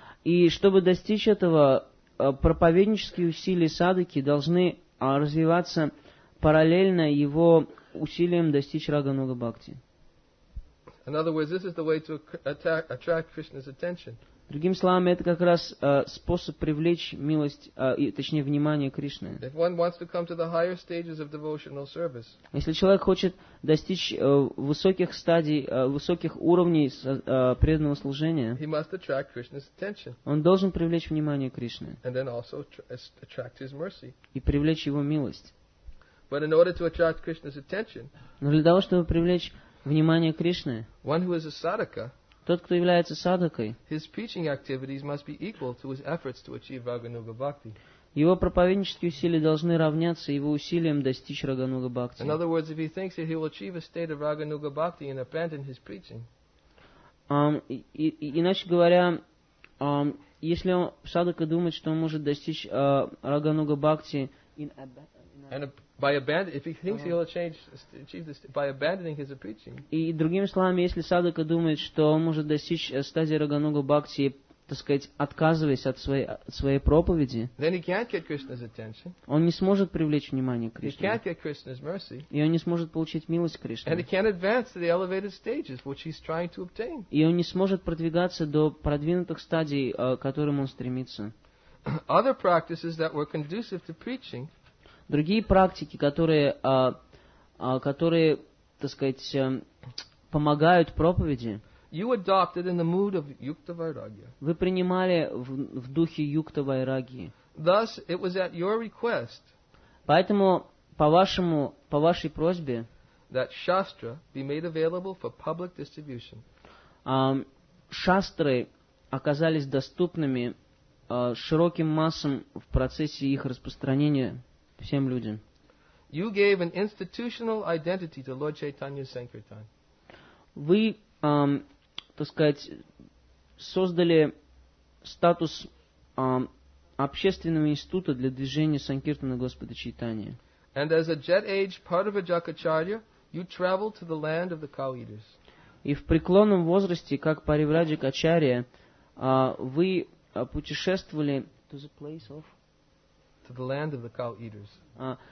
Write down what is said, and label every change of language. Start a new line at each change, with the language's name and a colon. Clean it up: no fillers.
Russian: И чтобы достичь этого, проповеднические усилия садаки должны развиваться параллельно его усилиям достичь Рагануга Бхакти.
English: In other words, this is the way to attract Krishna's attention.
Russian: Другим словами, это как раз способ привлечь милость, точнее, внимание Кришны.
English: If one wants to come to the higher stages of devotional service,
Russian: если человек хочет достичь высоких стадий, высоких уровней преданного служения,
English: he must attract Krishna's attention.
Russian: Он должен привлечь внимание Кришны.
English: And then also attract his mercy.
Russian: И привлечь его милость.
English: But in order to attract Krishna's attention,
Russian: но для того, чтобы привлечь внимание Кришны,
English: one who is a sadhaka,
Russian: тот, кто является садакой,
English: his preaching activities must be equal to his efforts to achieve Raganuga Bhakti.
Russian: Его проповеднические усилия должны равняться его усилиям достичь Рагануга Бхакти.
English: In other words, if he thinks that he will achieve a state of Raganuga Bhakti and abandon his preaching.
Russian: Иначе говоря, если он садака думает, что он может достичь Рагануга Бхакти, и другими словами, если садака думает, что он может достичь стадии Рагануга Бхакти, так сказать, отказываясь от своей проповеди,
English: then he can't get Krishna's attention.
Russian: Он не сможет привлечь внимание Кришны.
English: He can't get Krishna's mercy.
Russian: И он не сможет получить милость Кришны.
English: And he can't advance to the elevated stages, which he's trying to obtain.
Russian: И он не сможет продвигаться до продвинутых стадий, к которым он стремится.
English: Other practices that were conducive to preaching.
Russian: Другие практики, которые, которые, так сказать, помогают проповеди,
English: you adopted in the mood of Yukta Vairagya.
Russian: Вы принимали в духе Юкта Вайраги.
English: Thus, it was at your request.
Russian: Поэтому по вашей просьбе,
English: that Shastra be made available for public distribution.
Russian: Шастры оказались доступными широким массам в процессе их распространения. Всем людям.
English: You gave an institutional identity to Lord Chaitanya Sankirtan.
Russian: Вы, так сказать, создали статус общественного института для движения Санкиртана Господа Чайтаньи.
English: And as a jet age part of a Jakacharya, you traveled to the land of the cow eaters.
Russian: И в преклонном возрасте, как Паривраджа Качария, вы путешествовали
English: to the place of to the land of the cow eaters.